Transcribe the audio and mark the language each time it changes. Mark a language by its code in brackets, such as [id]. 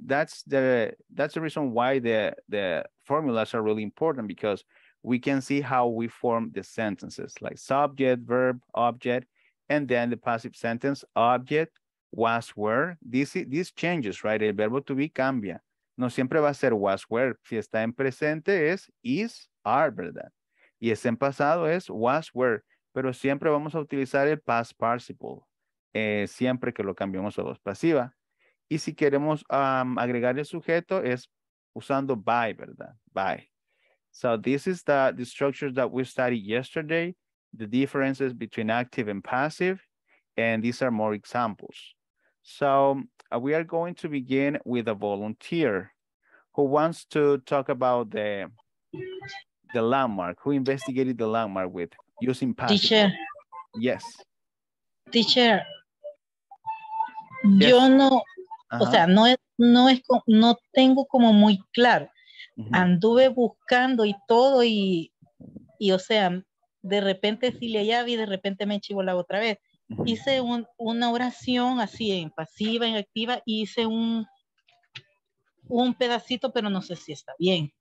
[en] That's the reason why the formulas are really important, because we can see how we form the sentences, like subject, verb, object, and then the passive sentence, object, was, were. This changes, right? [es] El verbo to be cambia. No siempre va a ser was, were. Si está en presente es is, are, ¿verdad? Y es en pasado es was, were. Pero siempre vamos a utilizar el past participle. Siempre que lo cambiamos a voz pasiva. Y si queremos agregar el sujeto es usando by, ¿verdad? [en] By. So this is the structure that we studied yesterday. The differences between active and passive. And these are more examples. So we are going to begin with a volunteer who wants to talk about the landmark, who investigated the landmark with using passive. Teacher. Yes. Teacher. Yes. [es] Yo no, uh-huh. O sea, no tengo como muy claro. Uh-huh. Anduve buscando y todo y o sea, de repente sí le hallaba y de repente me chivolaba otra vez. Uh-huh. Hice una oración así en pasiva, en activa, y hice un pedacito, pero no sé si está bien.